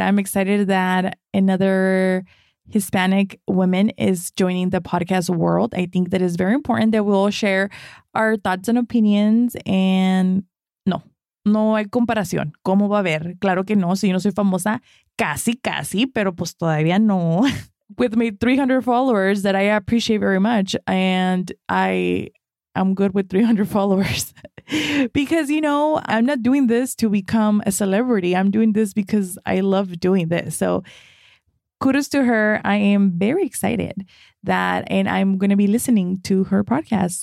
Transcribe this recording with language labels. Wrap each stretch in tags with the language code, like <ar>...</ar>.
<en>I'm excited that another Hispanic woman is joining the podcast world. I think that is very important that we'll share our thoughts and opinions.</en> <es>And no, no hay comparación. ¿Cómo va a haber? Claro que no. Si yo no soy famosa, casi, casi, pero pues todavía no.</es> <en>With my 300 followers that I appreciate very much. And I'm good with 300 followers because, you know, I'm not doing this to become a celebrity. I'm doing this because I love doing this. So kudos to her. I am very excited that, and I'm going to be listening to her podcast.</en>